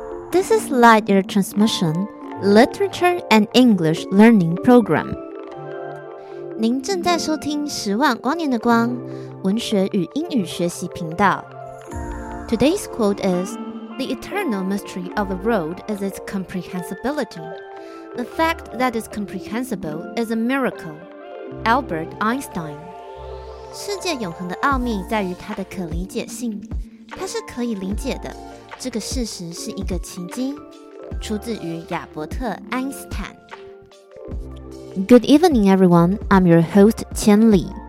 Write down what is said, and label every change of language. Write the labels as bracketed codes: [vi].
[en] This is Light Year Transmission, Literature and English Learning Program. [zh] 您正在收听十万光年的光，文学与英语学习频道。 [en] Today's quote is, The eternal mystery of a road is its comprehensibility. The fact that it's comprehensible is a miracle. Albert Einstein. [zh] 世界永恒的奥秘在于它的可理解性，它是可以理解的。这个事实是一个奇迹，出自于亚伯特·爱因斯坦。 [en] Good evening, everyone. I'm your host, 千里。